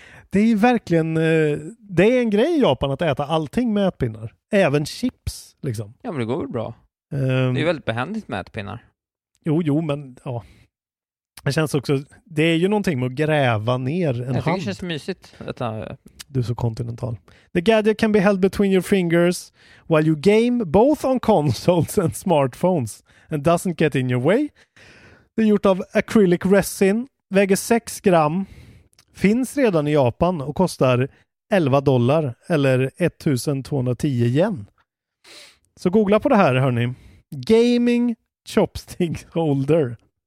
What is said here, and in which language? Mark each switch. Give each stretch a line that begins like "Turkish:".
Swedish: Det är verkligen det är en grej i Japan att äta allting med ätpinnar. Även chips liksom. Ja, men det går väl bra. Det är väldigt behändigt med ätpinnar. Jo, men ja. Det känns också, det är ju någonting med att gräva ner en hand. Det känns mysigt. Detta. Du är så kontinental.
English: The gadget can be held between your fingers while you game both on consoles and smartphones and doesn't get in your way.
Swedish: Det är gjort av acrylic resin, väger 6 gram, finns redan i Japan och kostar $11 eller 1210 yen. Så googla på det här hörni. Gaming Chopstick Holder.